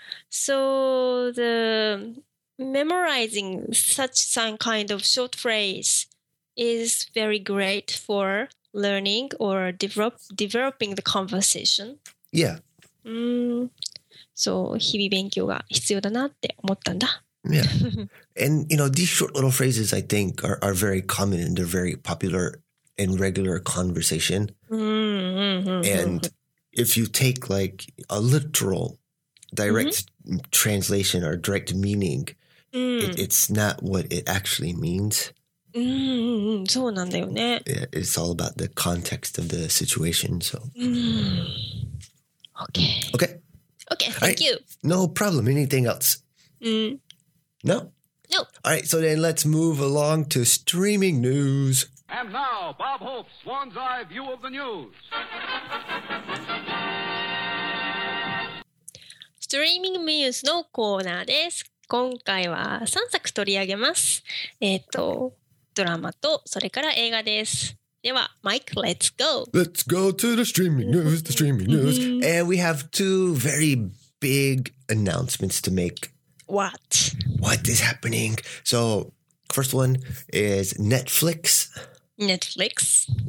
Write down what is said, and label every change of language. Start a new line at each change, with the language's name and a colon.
English: So the memorizing such some kind of short phrase is very great for learning or developing the conversation. Yeah.
Japanese: So 日々勉強が必要だなって思ったんだ。
English: Yeah. And, you know, these short little phrases, I think, are very common and they're very popular in regular conversation. And if you take, like, a literal direct translation or direct meaning, it's not what it actually means.
Japanese: そうなんだよね。
English: It's all about the context of the situation, so. Okay. Okay, thank you. No problem. Anything else? No? No. All right, so then let's move along to streaming news. And now, Bob Hope's Swan's Eye View of the News.
Japanese: Streaming News のコーナーです。今回は3作取り上げます。ドラマとそれから映画です。
English: では、Mike, let's go. Let's go to the streaming news, the streaming news. And we have two very big announcements to make. What? What is happening? So, first one is Netflix. Netflix.